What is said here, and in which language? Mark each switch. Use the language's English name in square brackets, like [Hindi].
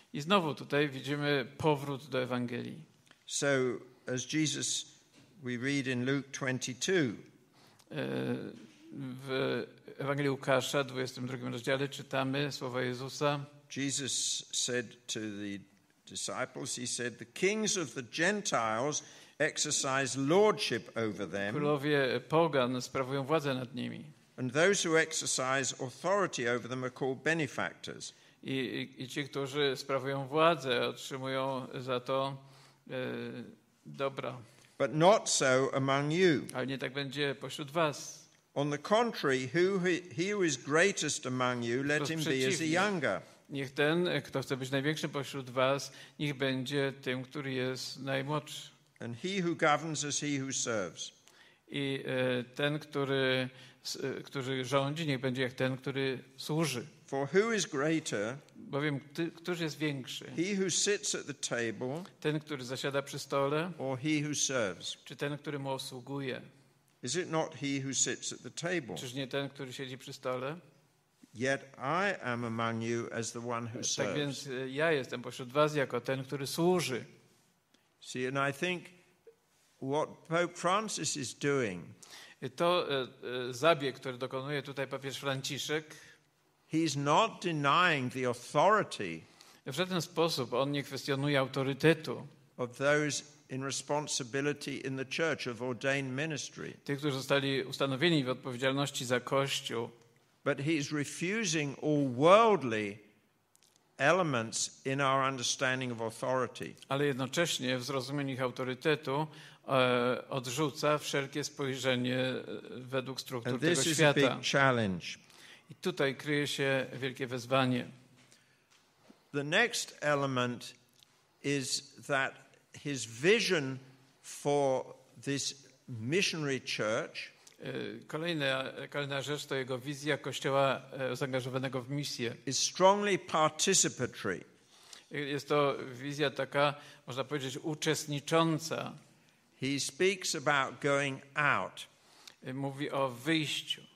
[Polish] I znowu tutaj widzimy powrót do Ewangelii. [English] So as Jesus, we read in Luke 22. [Polish] W Ewangelii Łukasza, 22 rozdziale, czytamy słowa Jezusa. [English] Jesus said to the disciples, he said, the kings of the Gentiles exercise lordship over them. [Polish] Królowie pogan sprawują władzę nad nimi. [English] And those who exercise authority over them are called benefactors. [Polish] I ci, którzy sprawują władzę, otrzymują za to dobra. [English] But not so among you. [Polish] Ale nie tak będzie pośród was. [English] On the contrary, he who is greatest among you, let him be as the younger. [Polish] Niech ten, kto chce być największym pośród was, niech będzie tym, który jest najmłodszy. [English] And he who governs is he who serves. [Polish] I ten, który rządzi, niech będzie jak ten, który służy. [English] For who is greater? [Polish] Bowiem któż jest większy? [English] He who sits at the table. [Polish] Ten, który zasiada przy stole. [English] Or he who serves. [Polish] Czy ten, który mu obsługuje? [English] Is it not he who sits at the table? [Polish] Czyż nie ten, który siedzi przy stole? [English] Yet I am among you as the one who serves. [Polish] Tak więc ja jestem pośród was jako ten, który służy. [English] See, and I think what Pope Francis is doing. [Polish] To zabieg, który dokonuje tutaj papież Franciszek. [English] He's not denying the authority. [Polish] W żaden sposób on nie kwestionuje autorytetu. [English] Of those in responsibility in the church of ordained ministry. [Polish] Tych, którzy zostali ustanowieni w odpowiedzialności za Kościół. [English] But he's refusing all worldly elements in our understanding of authority. [Polish] Ale jednocześnie w zrozumieniu ich autorytetu odrzuca wszelkie spojrzenie według struktur [English] and this [Polish] tego [English] is [Polish] świata. [English] A big challenge. [Polish] I tutaj kryje się wielkie wyzwanie. [English] The next element is that his vision for this missionary church. [Polish] Kolejna rzecz to jego wizja kościoła zaangażowanego w misję. [English] Is strongly participatory. [Polish] Jest to wizja taka, można powiedzieć, uczestnicząca. [English] He speaks about going out. [Polish] Mówi o wyjściu.